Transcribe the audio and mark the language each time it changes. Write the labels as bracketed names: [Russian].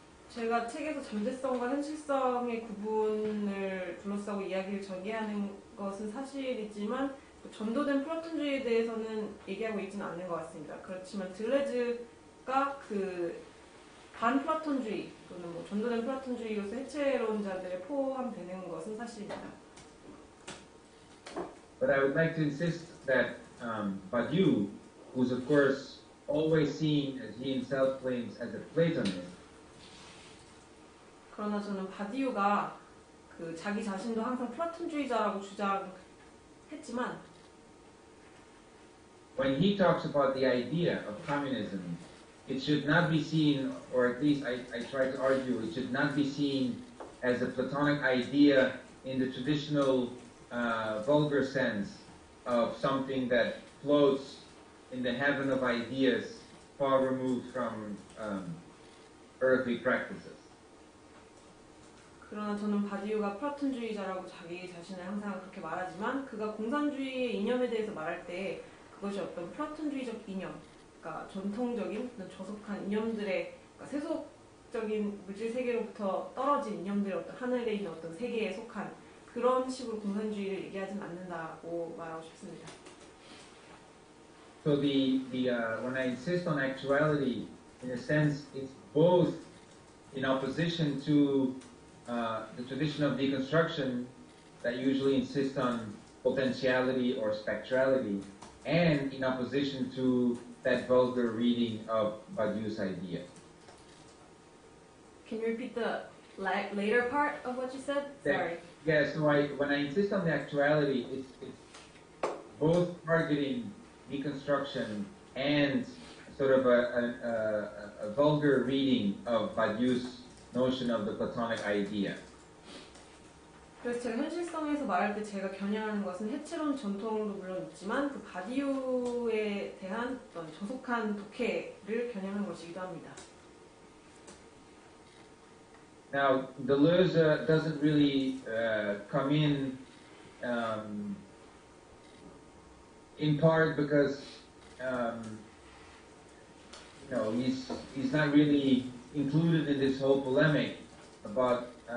[Korean] 제가 책에서 존재성과 현실성의 구분을 둘러싸고 이야기를 전개하는 것은 사실이지만 전도된 플라톤주의에 대해서는 얘기하고 있지는 않는 것 같습니다. 그렇지만 들레즈가 그 반플라톤주의 또는 뭐 전도된 플라톤주의로서 해체론자들에 포함되는 것은 사실입니다. [English] But I would like to insist that Badiou, who's of course always seen as he himself claims as a Platonist, [Korean] 그러나 저는 바디우가 그 자기 자신도 항상 플라톤주의자라고 주장했지만 [English] When he talks about the idea of communism, it should not be seen, or at least I try to argue, it should not be seen as a platonic idea in the traditional vulgar sense of something that floats in the heaven of ideas far removed from earthly practices. [Korean] 그러나 저는 바디우가 플라톤주의자라고 자기 자신을 항상 그렇게 말하지만 그가 공산주의의 이념에 대해서 말할 때 그것이 어떤 플라톤주의적 이념, 그러니까 전통적인 저속한 이념들의 그러니까 세속적인 물질 세계로부터 떨어진 이념들의 어떤 하늘에 있는 어떤 세계에 속한 그런 식으로 공산주의를 얘기하지는 않는다고 말하고 싶습니다. [English] So when I insist on actuality, in a sense, it's both in opposition to the tradition of deconstruction that usually insists on potentiality or spectrality and in opposition to that vulgar reading of Badiou's idea. Can you repeat the later part of what you said? Sorry. Yes, yeah, so when I insist on the actuality, it's both targeting deconstruction and sort of a vulgar reading of Badiou's notion of the platonic idea. [Korean] 그래서 제가 현실성에서 말할 때 제가 겨냥하는 것은 해체론 전통도 물론 있지만 그 바디우에 대한 어떤 저속한 독해를 겨냥한 것이기도 합니다. [English] Now, Deleuze doesn't really come in part because he's not really included in this whole polemic about